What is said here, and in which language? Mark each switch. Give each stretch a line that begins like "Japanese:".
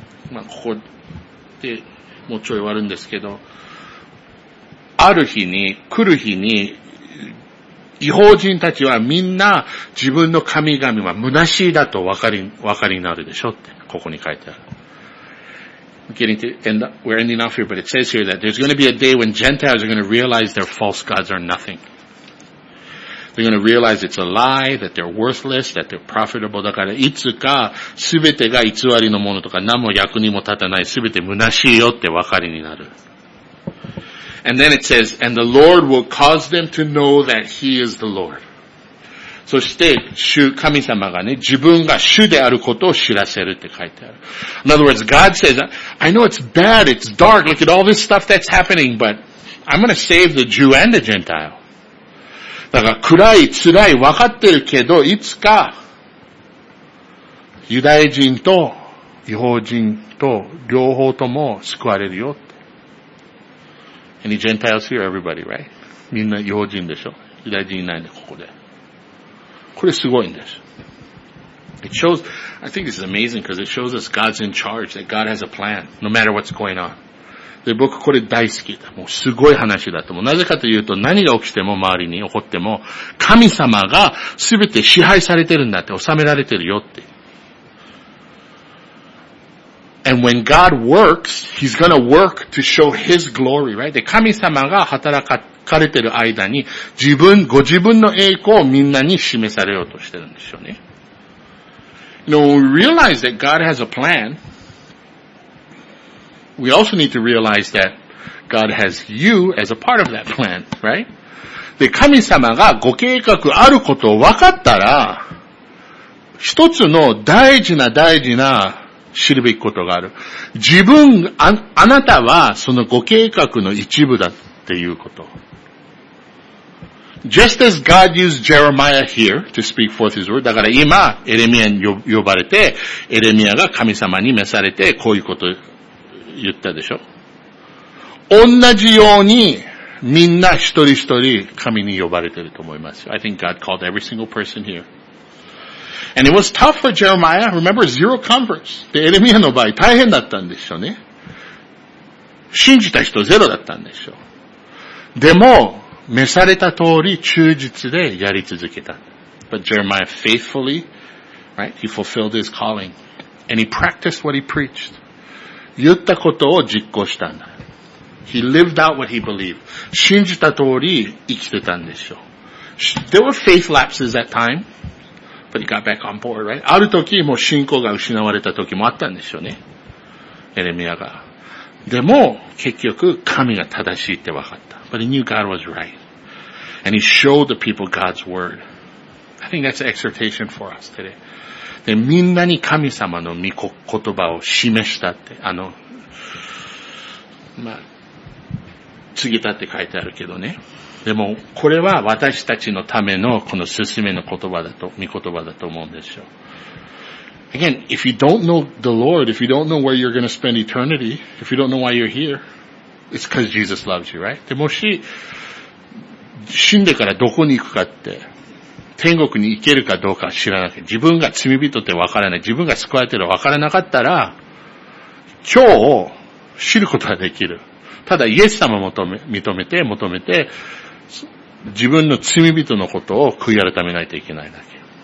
Japanese: まあ、ここでもうちょい終わるんですけど、ある日に、来る日に、異邦人たちはみんな自分の神々は虚しいだと分かりになるでしょって、ここに書いてある。
English: We're ending off here, but it says here that there's going to be a day when Gentiles are going to realize their false gods are nothing. They're going to realize it's a lie, that they're worthless, that they're profitable.
Japanese: だから、いつか、すべてが偽りのものとか、何も役にも立たない、すべて虚しいよって分かりになる。
English: And then it says, and the Lord will cause them to know that He is the Lord.
Japanese: そして、神様がね、自分が主であることを知らせるって書いてある。
English: In other words, God says, I know it's bad, it's dark, look at all this stuff that's happening, but I'm going to save the Jew and the Gentile.
Japanese: だから暗い辛い分かってるけど、いつかユダヤ人と異邦人と両方とも救われるよって。
English: Any Gentiles here? Everybody, right?
Japanese: みんな異邦人でしょ。ユダヤ人いないんでここで。これすごいんです。
English: It shows, I think this is amazing because it shows us God's in charge, that God has a plan, no matter what's going on.
Japanese: で、僕これ大好きだ。もうすごい話だと思う。なぜかというと、何が起きても周りに起こっても、神様が全て支配されてるんだって、治められてるよって。
English: And when God works, He's gonna work to show His glory, right?
Japanese: で、神様が働かれてる間に、ご自分の栄光をみんなに示されようとしてるんですよね。
English: You know, when we realize that God has a plan,We also need to realize that God has you as a part of that plan, right?
Japanese: で、神様がご計画あることを分かったら、一つの大事な大事な知るべきことがある。自分、あなたはそのご計画の一部だっていうこと。
English: Just as God used Jeremiah here to speak forth his word,
Japanese: だから今、エレミアに呼ばれて、エレミアが神様に召されて、こういうこと言ったでしょ。同じように、みんな一人一人神に呼ばれてると思いますよ。
English: I think God called every single person here. And it was tough for Jeremiah. Remember, zero converts.
Japanese: で、エレミアの場合、大変だったんでしょうね。信じた人ゼロだったんでしょう。でも、召された通り忠実でやり続けた。
English: But Jeremiah faithfully, right, he fulfilled his calling. And he practiced what he preached.
Japanese: 言ったことを実行したんだ。
English: He lived out what he believed.
Japanese: 信じた通り生きてたんでしょう。
English: There were faith lapses at time, but he got back on board, right?
Japanese: ある時もう信仰が失われた時もあったんでしょうね。エレミアが。でも、結局、神が正しいって分かった。
English: But he knew God was right. And he showed the people God's word. I think that's an exhortation for us today.
Japanese: で、みんなに神様の御言葉を示したって、告げたって書いてあるけどね。でも、これは私たちのためのこの勧めの言葉だと、御言葉だと思うんですよ。
English: Again, if you don't know the Lord, if you don't know where you're going to spend eternity, if you don't know why you're here, it's because Jesus loves you, right?
Japanese: でもし、死んでからどこに行くかって、天国に行けるかどうか知らなきゃ、自分が罪人って分からない、自分が救われてる分からなかったら、今日を知ることはできる。ただ、イエス様を求めて、自分の罪人のことを悔い改めないといけないだけ。